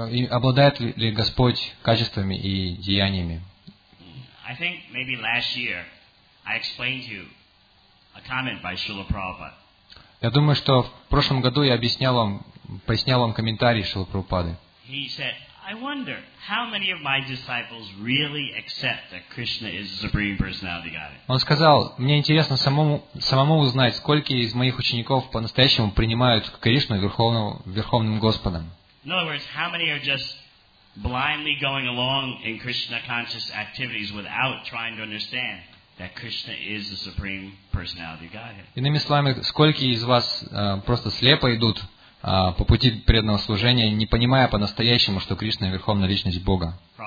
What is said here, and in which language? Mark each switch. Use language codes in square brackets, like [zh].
[ru] Обладает ли Господь качествами и деяниями? [en] I think maybe last year I explained to you a comment by Srila Prabhupada. [ru] Я думаю, что в прошлом году я объяснял вам комментарий Шрилы Прабхупады. [en] He said, I wonder how many of my disciples really accept that Krishna is the supreme personality of Godhead. [ru] Он сказал: "Мне интересно самому узнать, сколько из моих учеников по-настоящему принимают Кришну верховным Господом". [en] In other words, how many are just blindly going along in Krishna conscious activities without trying to understand that Krishna is the supreme personality of Godhead. [ru] Иными словами, сколько из вас просто слепо идут по пути преданного служения, не понимая по-настоящему, что Кришна – Верховная Личность Бога.